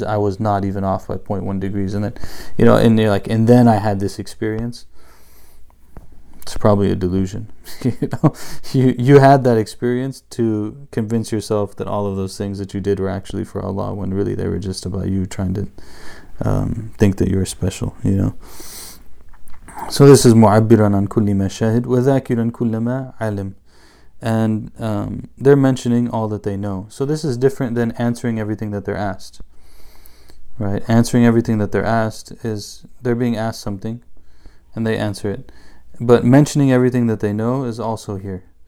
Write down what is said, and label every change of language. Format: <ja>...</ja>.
<en>I was not even off by 0.1 degrees. And then, you know, and you're like, and then I had this experience. It's probably a delusion. You know, you had that experience to convince yourself that all of those things that you did were actually for Allah, when really they were just about you trying to think that you're special, you know. So this is</en> <ar>مُعَبِّرًا عَنْ كُلِّ مَا شَهِدْ وَذَاكِرًا كُلَّ مَا عَلِمْ.</ar> <en>And they're mentioning all that they know. So this is different than answering everything that they're asked. Right? Answering everything that they're asked is, they're being asked something and they answer it. But mentioning everything that they know is also here.</en>